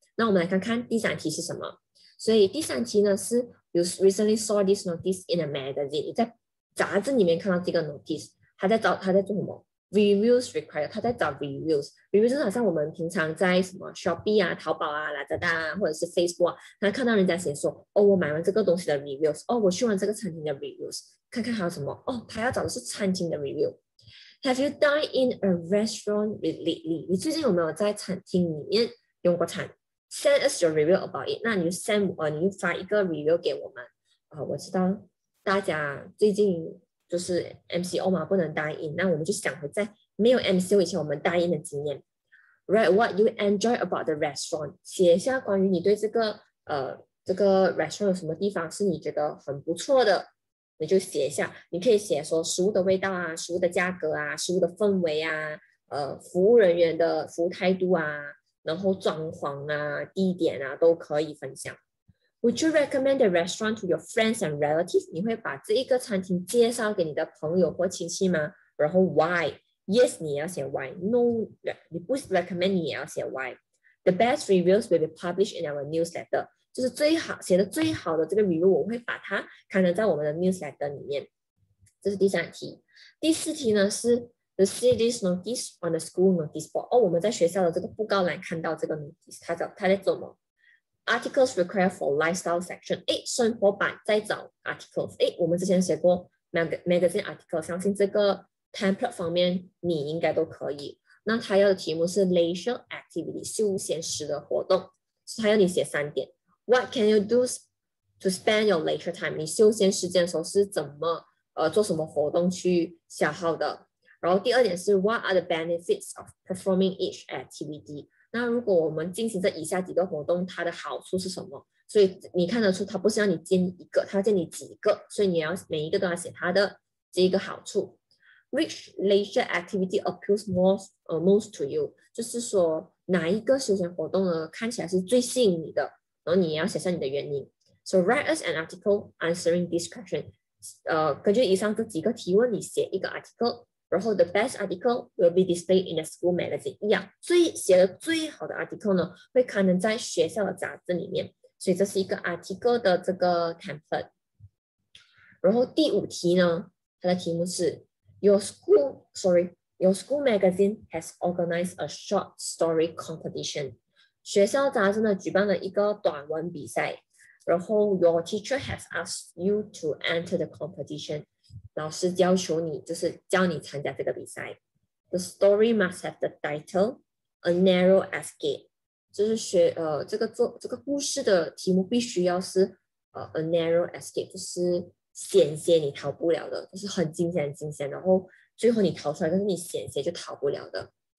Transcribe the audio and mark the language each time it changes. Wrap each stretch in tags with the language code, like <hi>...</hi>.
<zh>那我们来看看第三题是什么。所以第三题呢是</zh> <en>You recently saw this notice in a magazine，</en> <zh>你在杂志里面看到这个 notice， 他在做什么</zh> <en>reviews required，</en> <zh>他在找 reviews。 reviews 就是好像我们平常在什么 Shopee 啊、淘宝啊、Lazada 啊，或者是 Facebook 啊，他看到人家写说哦，我买完这个东西的 reviews， 哦，我去完这个餐厅的 reviews， 看看还有什么。哦，他要找的是餐厅的 review。</zh> <en>Have you dined in a restaurant lately？</en> <zh>你最近有没有在餐厅里面用过餐？</zh> <en>Send us your review about it。</en> <zh>那你就 你就发一个 review 给我们。我知道大家最近就是 MCO 嘛，不能 dine in， 那我们就想回在没有 MCO 以前我们 dine in 的经验。</zh> <en>Write what you enjoy about the restaurant，</en> <zh>写下关于你对这个 restaurant 有什么地方是你觉得很不错的，你就写一下。你可以写说食物的味道啊，食物的价格啊，食物的氛围啊，服务人员的服务态度啊，然后装潢啊、地点啊都可以分享。</zh> <en>Would you recommend the restaurant to your friends and relatives？</en> <zh>你会把这一个餐厅介绍给你的朋友或亲戚吗？然后 why？ Yes， 你要写 why。No， 你不 recommend， 你也要写 why。</zh> <en>The best reviews will be published in our newsletter，</en> <zh>就是最好写的最好的这个 review， 我会把它刊登在我们的 newsletter 里面。这是第三题。第四题呢是</zh> <en>To see this notice on the school notice board。</en> <zh>哦，我们在学校的这个布告栏看到这个 notice， 他在做什么？</zh> <en>Articles required for lifestyle section。</en> <zh>诶，生活版在找 articles。诶，我们之前写过 magazine article， 相信这个 template 方面你应该都可以。那他要的题目是 leisure activity， 休闲时的活动，所以他要你写三点。</zh> <en>What can you do to spend your leisure time？</en> <zh>你休闲时间的时候是怎么做什么活动去消耗的。然后第二点是</zh> <en>What are the benefits of performing each activity？</en> <zh>那如果我们进行这以下几个活动，它的好处是什么？所以你看得出它不是要你建一个，它要建你几个，所以你要每一个都要写它的这个好处。</zh> <en>Which leisure activity appeals most to you？</en> <zh>就是说哪一个休闲活动呢看起来是最吸引你的，然后你也要写下你的原因。</zh> <en>So write us an article answering this question。</en> <zh>根据以上这几个提问，你写一个 article，然后</zh> <en>the best article will be displayed in the school magazine。</en> <zh>一样，所以写的最好的 article 呢会刊登在学校的杂志里面，所以这是一个 article 的这个 template。然后第五题呢，它的题目是</zh> <en>Your school magazine has organized a short story competition。</en> <zh>学校杂志呢举办了一个短文比赛，然后</zh> <en>your teacher has asked you to enter the competition，</en> <zh>老师要求你就是叫你参加这个比赛。 The story must have the title A Narrow Escape， 就是学这个故事的题目必须要是A Narrow Escape， 就是险些你逃不了的，就是很惊险很惊险，然后最后你逃出来，但是你险些就逃不了的。</zh>